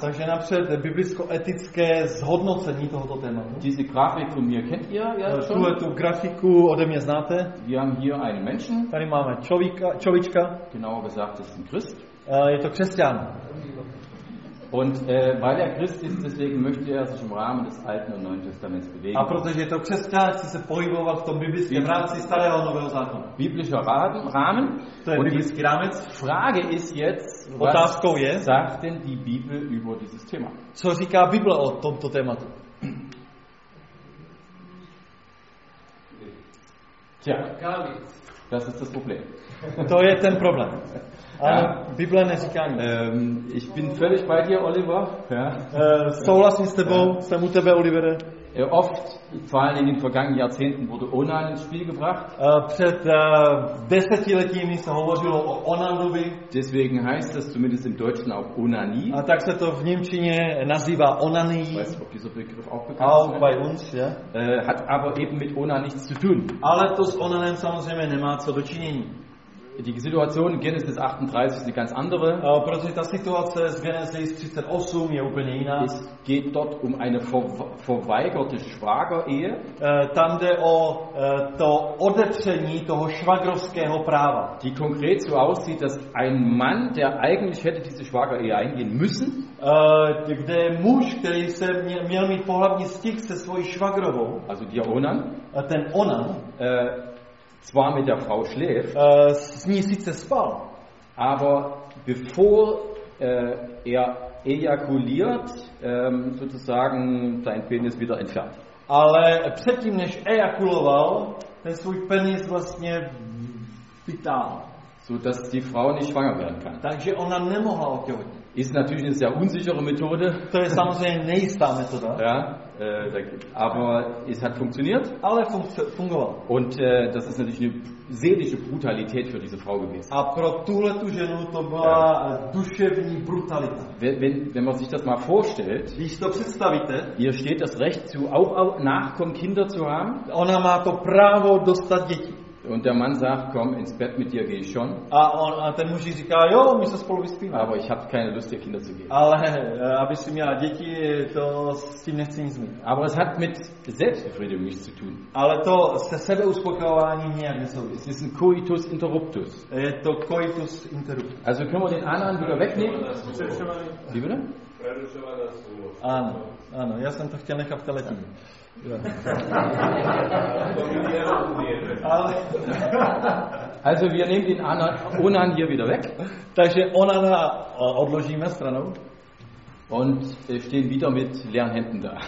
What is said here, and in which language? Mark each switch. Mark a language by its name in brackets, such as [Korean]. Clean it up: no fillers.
[Czech] Takže napřed biblicko-etické zhodnocení tohoto tématu. [German] Diese Grafik von mir kennt ihr ja schon. [Czech] Tu grafiku ode mě znáte. [German] Wir haben hier einen Menschen. [Czech] Tady máme človíčka. [German] Genauer gesagt, das ist ein Christ. [Czech] Je to křesťan. [German] Und weil er Christ ist, deswegen möchte er sich im Rahmen des Alten und Neuen Testaments bewegen. [Czech] A protože je to křesťan, chce se pohybovat v tom biblickém rámci starého a nového zákona. [German] Biblischer Rahmen. [Czech] To je biblický rámec. [German] Frage ist jetzt, [Czech] otázkou je, [German] sagt denn die Bibel über dieses Thema? [Czech] Co říká Bible o tomto tématu? [German] Tja, das ist das Problem. [Czech] To je ten problém. Ja. Bible neříká nic. [German] Ich bin völlig bei dir, Oliver. [Czech] Souhlasím s tebou, jsem u tebe, Olivere. [German] Oft, vor allem in den vergangenen Jahrzehnten, wurde Onan ins Spiel gebracht. [Czech] Před desetiletími se hovořilo o Onanovi. [German] Deswegen heißt das zumindest im Deutschen auch Onani. [Czech] A tak se to v němčině nazývá Onani. [German] Weißt, ob dieser Begriff auch bekannt ist. Auch bei uns, ja. Hat aber eben mit Onan nichts zu tun. [Czech] Ale to s Onanem samozřejmě nemá co dočinění. [German] Die Situation in Genesis 38 ist eine ganz andere. [Czech] Protože ta situace z Genesis 38 je úplně jiná. [German] Es geht dort um eine verweigerte Schwager-Ehe. [Czech] Tam jde o to odepření toho švagrovského práva. [German] Die konkret so aussieht, dass ein Mann, der eigentlich hätte diese Schwager-Ehe eingehen müssen, [Czech] kde muž, který se měl mít pohlavní styk se svojí švagrovou, [German] also die Onan, [Czech] ten Onan, [German] zwar mit der Frau schläft, [Czech] s ní sice spal, [German] aber bevor er ejakuliert, sozusagen sein Penis wieder entfernt. [Czech] Ale předtím, než ejakuloval, ten svůj penis vlastně vytáhl. [German] So dass die Frau nicht schwanger werden kann. [Czech] Takže ona nemohla otěhotnit. [German] Ist natürlich eine sehr unsichere Methode. [Czech] To je samozřejmě nejistá metoda. [German] Ja, aber es hat funktioniert. [Czech] Ale fungoval. [German] Und das ist natürlich eine seelische Brutalität für diese Frau gewesen. [Czech] A pro tuhle tu ženu to byla duševní brutalita. [German] Wenn man sich das mal vorstellt, [Czech] když to představíte, [German] hier steht das Recht zu auch Nachkommen Kinder zu haben. [Czech] Ona má to právo dostat děti. [German] Und der Mann sagt, komm ins Bett mit dir, gehe ich schon. [Czech] A ten muž říká, jo, my se spolu vyspíme. [German] Aber ich habe keine Lust, dir Kinder zu geben. [Czech] Ale aby si měla děti, to s tím nechci nic mít. [German] Aber es hat mit Selbstbefriedigung nichts zu tun. [Czech] Ale to se sebeuspokojováním nějak nesouvisí. [German] Es ist ein coitus interruptus. [Czech] Je to coitus interruptus. [German] Also können wir den anderen wieder wegnehmen? Wie bitte? [Czech] Ano, ano, já jsem to chtěl nechat v teletíně. [German] Also wir nehmen den Onan hier wieder weg. [Czech] Takže Onana odložíme stranou. [German] Und stehen wieder mit leeren Händen da.